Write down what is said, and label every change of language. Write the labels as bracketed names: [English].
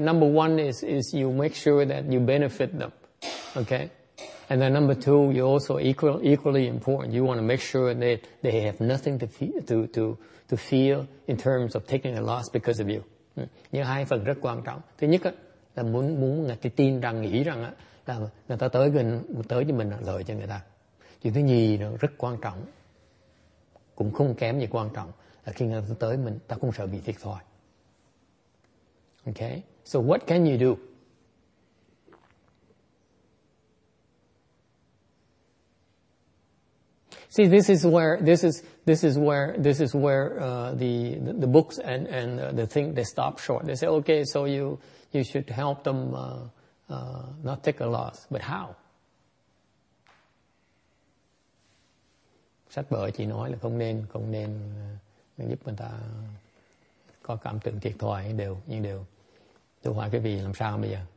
[English] Number one is you make sure that you benefit them, okay? And then number two, you also equally important. You want to make sure that they have nothing to feel in terms of taking a loss because of you. [Vietnamese] Những hai phần rất quan trọng. Thứ nhất là muốn người ta tin rằng nghĩ rằng là người ta tới với mình là lợi cho người ta. Chuyện thứ nhì nó rất quan trọng, cũng không kém gì quan trọng là khi người ta tới mình, ta không sợ bị thiệt thòi. [English] Okay, so what can you do? See, this is where the books and the thing they stop short. They say, okay, so you should help them not take a loss, but how? [Vietnamese] Sách vở chỉ nói là không nên giúp người ta có cảm tưởng thiệt thòi nhưng đều. Tôi hỏi quý vị làm sao bây giờ?